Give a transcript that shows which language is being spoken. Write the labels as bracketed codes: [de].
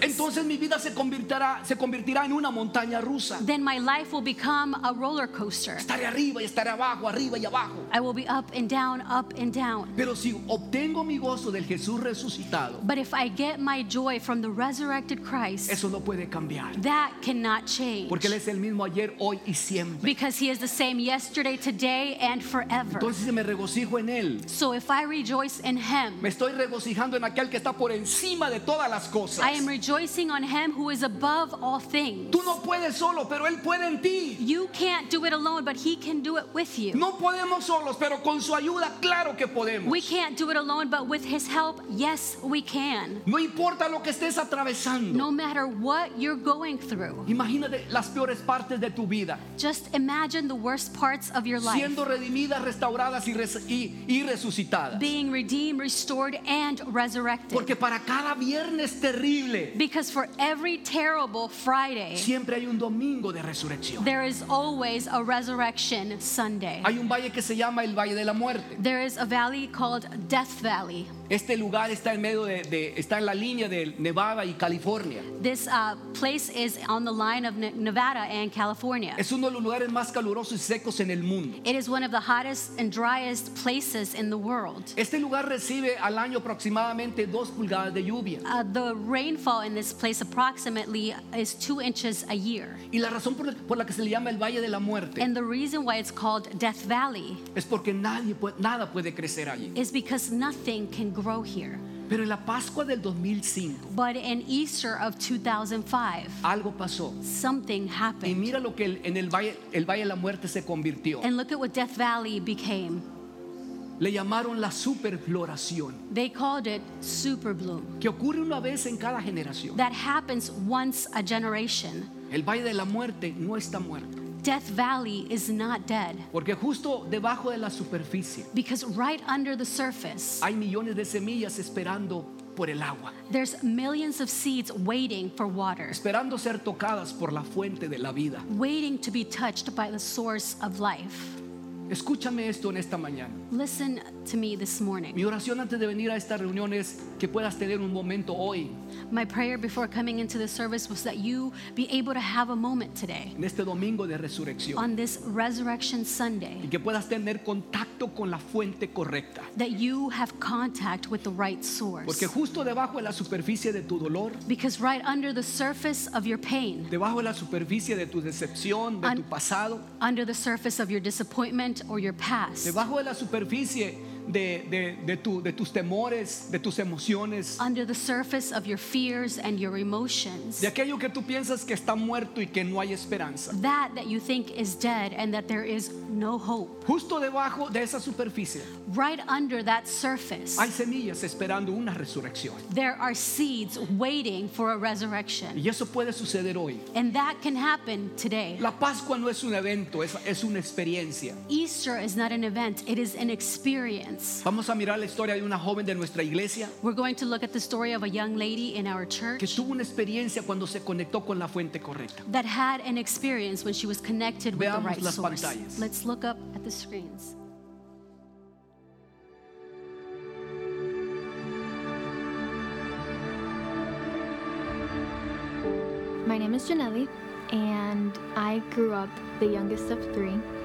[es] entonces mi vida se convertirá en una montaña rusa. [en] Then my life will become a roller coaster. [es] Estaré arriba y estaré abajo, arriba y abajo. [en] I will be up and down, up and down. [es] Pero si obtengo mi gozo del Jesús resucitado, [en] but if I get my joy from the resurrected Christ, [es] eso no puede cambiar. [en] That cannot change. [es] Porque Él es el mismo ayer, hoy y siempre. [en] Because He is the same yesterday, today, and forever. [es] Entonces si me regocijo en Él, [en] so if I rejoice in Him, [es] me estoy regocijando en aquel que está por encima de todas las cosas. [en] I am rejoicing on Him who is above all things. [es] Tú no puedes solo, pero Él puede en ti. [en] You can't do it alone, but He can do it with you. [es] No podemos solos, pero con su ayuda, claro que podemos. [en] We can't do it alone, but with His help, yes, we can. [es] No importa lo que estés atravesando. [en] No matter what you're going through. [es] Imagínate las peores partes de tu vida. [en] Just imagine the worst parts of your life. [es] Siendo redimidas, restauradas y resucitadas. [en] Being redeemed, restored, and resurrected. [es] Porque para cada viernes terrible, [en] because for every terrible Friday, [es] siempre hay un domingo de resurrección. [en] There is always a resurrection Sunday. [es] Hay un valle que se llama el Valle de la Muerte. [en] There is a valley called Death Valley. [es] Este lugar está en medio de está en la línea de Nevada y California. [en] This place is on the line of Nevada and California. [es] Es uno de los lugares más calurosos y secos en el mundo. [en] It is one of the hottest and driest places in the world. [es] Este lugar recibe al año aproximadamente 2 pulgadas de lluvia. [en] The rainfall in this place approximately is 2 inches a year. [es] Y la razón por la que se le llama el Valle de la Muerte. [en] And the reason why it's called Death Valley. [es] Es porque nada puede crecer allí. [en] Is because nothing can grow here. [es] Pero en la Pascua del 2005, [en] but in Easter of 2005, [es] algo pasó. [en] Something happened. [es] Y mira lo que en el valle de la muerte se convirtió. [en] And look at what Death Valley became. [es] Le llamaron la superfloración. [en] They called it superbloom. [es] Que ocurre una vez en cada generación. [en] That happens once a generation. [es] El Valle de la Muerte no está muerto. [en] Death Valley is not dead. [es] Porque justo debajo de la superficie, [en] because right under the surface, [es] hay millones de semillas esperando por el agua. [en] There's millions of seeds waiting for water. [es] Esperando ser tocadas por la fuente de la vida. [en] Waiting to be touched by the source of life. [es] Escúchame esto en esta mañana. [en] Listen to me this morning. [es] Mi oración antes de venir a esta reunión es que puedas tener un momento hoy. [en] My prayer before coming into the service was that you be able to have a moment today. [es] En este domingo de resurrección. [en] On this resurrection Sunday. [es] Y que puedas tener contacto con la fuente correcta. [en] That you have contact with the right source. [es] Porque justo debajo de la superficie de tu dolor. [en] Because right under the surface of your pain. [es] Debajo de la superficie de tu decepción, de tu pasado. [en] Under the surface of your disappointment or your past. [es] Debajo de la superficie de tus temores, de tus emociones, [en] under the surface of your fears and your emotions, [es] de aquello que tú piensas que está muerto y que no hay esperanza, [en] that you think is dead and that there is no hope, [es] justo debajo de esa superficie, [en] right under that surface, [es] hay semillas esperando una resurrección, [en] there are seeds waiting for a resurrection, [es] y eso puede suceder hoy, [en] and that can happen today. [es] La Pascua no es un evento, es una experiencia. [en] Easter is not an event, it is an experience. [es] Vamos a mirar la historia de una joven de nuestra iglesia. [en] We're going to look at the story of a young lady in our church. [es] Que tuvo una experiencia cuando se conectó con la fuente correcta. [en] That had an experience when she was connected with the right source. [es] Veamos las pantallas. [en] Let's look up at the screens. My name is Janelle, and I grew up the youngest of three.